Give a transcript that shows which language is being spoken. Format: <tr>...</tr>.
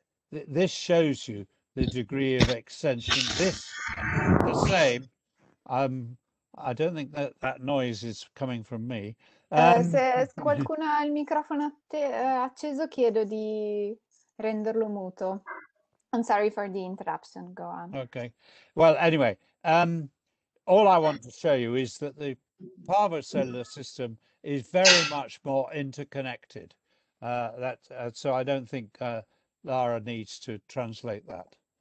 <en>This shows you the degree of extension. This the same. I don't think that noise is coming from me.</en> <it>Se qualcuno ha il microfono acceso, chiedo di renderlo muto.</it> <en>I'm sorry for the interruption. Go on. Okay. Well, anyway, all I want to show you is that the parvo cellular system is very much more interconnected. So I don't think Lara needs to translate that.</en>